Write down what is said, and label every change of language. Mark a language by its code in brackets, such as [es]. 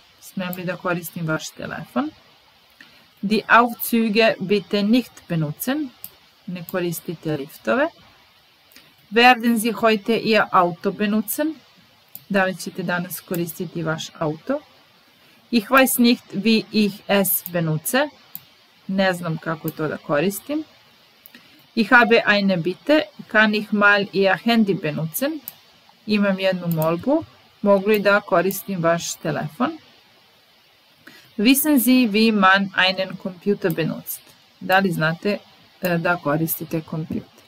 [sr] Smem li da koristim vaš telefon? [de] Die Aufzüge bitte nicht benutzen. [sr] Ne koristite liftove. [de] Werden Sie heute Ihr Auto benutzen? [sr] Da li ćete danas koristiti vaš auto? [de] Ich weiß nicht wie ich es benutze. [sr] Ne znam kako to da koristim. [de] Ich habe eine Bitte. Kann ich mal Ihr Handy benutzen? [sr] Imam jednu molbu. Mogu li da koristim vaš telefon? [de] Wissen Sie, wie man einen Computer benutzt? [sr] Da li znate da koristite kompjuter?